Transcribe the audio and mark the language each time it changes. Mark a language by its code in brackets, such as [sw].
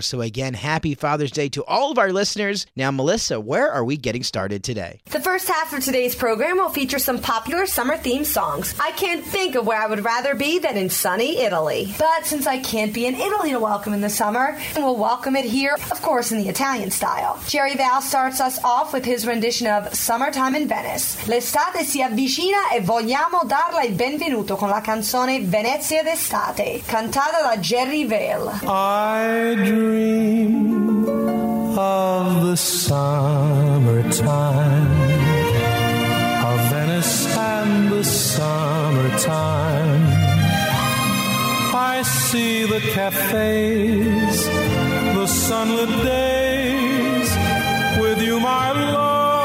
[en] So again, happy Father's Day to all of our listeners. Now, Melissa, where are we getting started today? The first half of today's program will feature some popular summer theme songs. I can't think of where I would rather be than in sunny Italy. But since I can't be in Italy to welcome in the summer, we'll welcome it here, of course, in the Italian style. Jerry Val starts us off with his rendition of Summertime in Venice. [it] L'estate si avvicina e vogliamo darle il benvenuto con la canzone Venezia d'estate, cantata da Jerry Val. [en] I dream of the summertime, of Venice and the summertime. I see the cafes, the sunlit days, with you, my love.